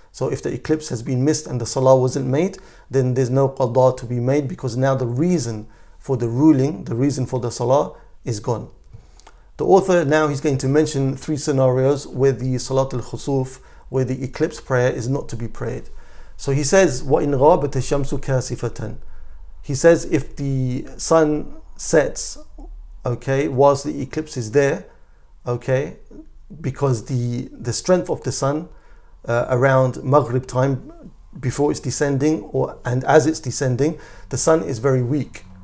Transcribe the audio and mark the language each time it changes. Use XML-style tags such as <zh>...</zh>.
<en>So if the eclipse has been missed and the salah wasn't made, then there's no qadha to be made, because now the reason for the ruling, the reason for the salah is gone. The author now, he's going to mention three scenarios where the salat al-khusuf, where the eclipse prayer is not to be prayed.</en> <ar>So he says, وَإِنْ غَابَتَ الشَّمْسُ كَاسِفَةً.</ar> <en>He says, if the sun sets, okay, whilst the eclipse is there, okay, because the strength of the sun around Maghrib time, before it's descending or and as it's descending, the sun is very weak.</en>